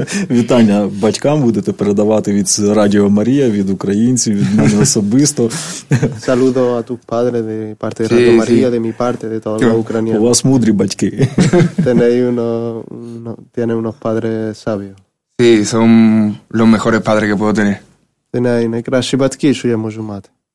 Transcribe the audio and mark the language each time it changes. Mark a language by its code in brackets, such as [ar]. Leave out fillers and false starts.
[uk] Вітання батькам, будете передавати від Радіо Марія, від українців, від мене особисто. [es] Saludo a tu padre de parte de Radio María, de mi parte, de toda la Ucrania. [uk] У вас мудрі батьки. [es] Tiene unos padres sabios. Sí, son los mejores padres que puedo tener. Tiene [uk] найкращі батьки, що я можу мати.